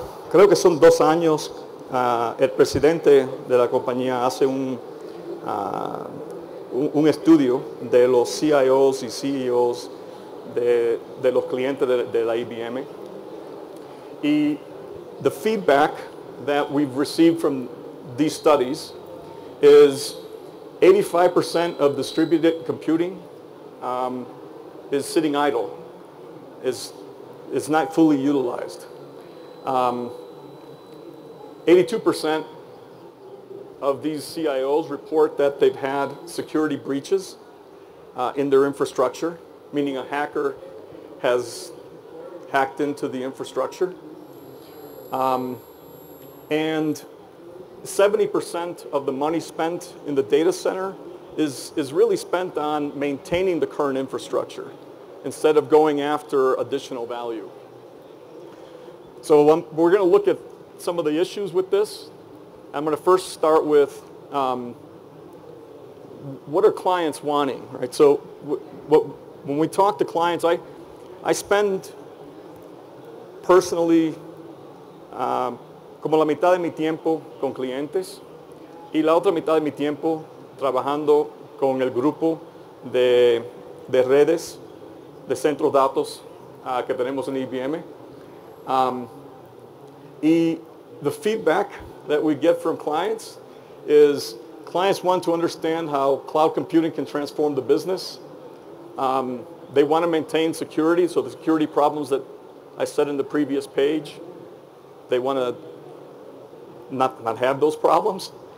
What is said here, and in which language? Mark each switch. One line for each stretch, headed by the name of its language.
Spanish: Creo que son 2 años, el presidente de la compañía hace un estudio de los CIOs y CEOs de los clientes de la IBM.
English: Y the feedback that we've received from these studies is 85% of distributed computing is sitting idle, is not fully utilized. 82% of these CIOs report that they've had security breaches in their infrastructure, meaning a hacker has hacked into the infrastructure. And 70% of the money spent in the data center is really spent on maintaining the current infrastructure instead of going after additional value. So we're going to look at some of the issues with this. I'm going to first start with what are clients wanting, right? So when we talk to clients, I spend personally
Spanish: como la mitad de mi tiempo con clientes y la otra mitad de mi tiempo trabajando con el grupo de redes, de centros de datos que tenemos en IBM.
English: Y the feedback that we get from clients is clients want to understand how cloud computing can transform the business. They want to maintain security, so the security problems that I said in the previous page, they want to not have those problems.